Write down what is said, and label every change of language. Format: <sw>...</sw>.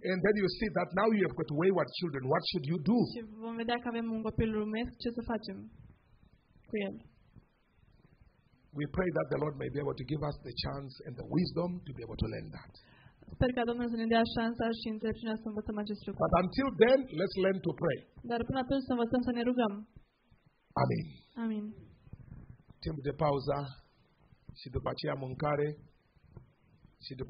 <en>And then you see that now you have got wayward children. What should you do?</en> <ro>Și vom vedea că avem un copil umesc, ce să facem cu el?</ro> <en>We pray that the Lord may be able to give us the chance and the wisdom to be able to learn that.</en> <ro>Sper ca Domnul să ne dea șansa și înțelepciunea să învățăm acest lucru.</ro> <en>But until then, let's learn to pray.</en> <ro>Dar până atunci să învățăm să ne rugăm. Amin. Amin. Timp de pauză și după aceea mâncare și după</ro>